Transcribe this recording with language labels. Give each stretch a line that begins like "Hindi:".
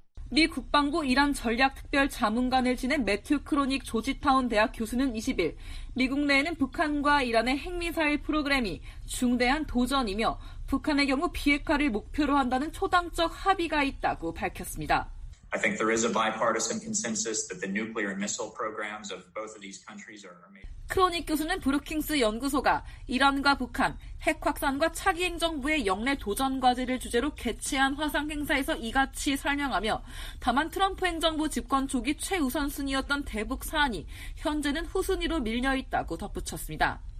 Korean: 미 국방부 이란 전략특별자문관을 지낸 매튜 크로닉 조지타운 대학 교수는 20일 미국 내에는 북한과 이란의 핵미사일 프로그램이 중대한 도전이며 북한의 경우 비핵화를 목표로 한다는 초당적 합의가 있다고 밝혔습니다.
English: I think there is a bipartisan consensus that the nuclear and missile programs of both of these countries are major.
Korean: 크로닉 교수는 브루킹스 연구소가 이란과 북한, 핵 확산과 차기 행정부의 영내 도전 과제를 주제로 개최한 화상 행사에서 이같이 설명하며 다만 트럼프 행정부 집권 초기 최우선순위였던 대북 사안이 현재는 후순위로 밀려있다고 덧붙였습니다.